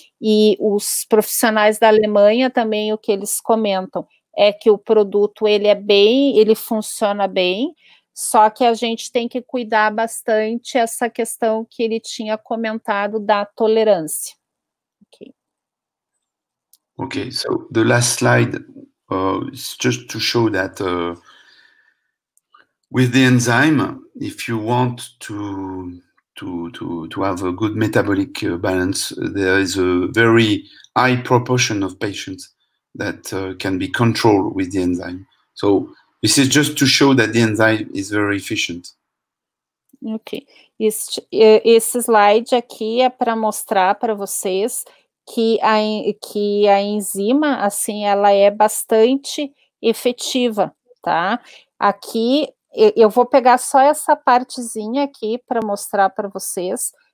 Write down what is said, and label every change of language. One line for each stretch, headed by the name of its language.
Portuguese: E os profissionais da Alemanha também, o que eles comentam é que o produto, ele é bem, ele funciona bem, só que a gente tem que cuidar bastante essa questão que ele tinha comentado da tolerância. Okay.
English: Okay, so the last slide is just to show that with the enzyme, if you want to have a good metabolic balance, there is a very high proportion of patients that can be controlled with the enzyme. So this is just to show that the enzyme is very efficient. Ok.
Portuguese: Esse slide aqui é para mostrar para vocês que a enzima, assim, ela é bastante efetiva, tá? Aqui, eu vou pegar só essa partezinha aqui para mostrar para vocês.